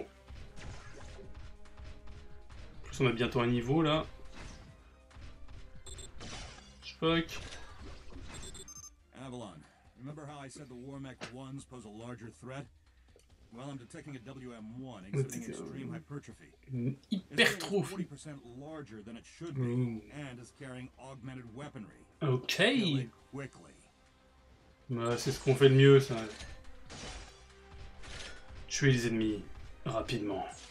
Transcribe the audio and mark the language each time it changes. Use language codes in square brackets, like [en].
[fr] En plus on a bientôt un niveau là. [en] Spock. Avalon, remember how I said the Warmech 1s pose a larger threat? Well, I'm detecting a WM1 exhibiting extreme hypertrophy. [fr] Hypertrophie. [en] 40% larger than it should be, and is carrying augmented weaponry. Okay. Quickly. [fr] Bah, c'est ce qu'on fait de mieux, ça. Tuer les ennemis rapidement.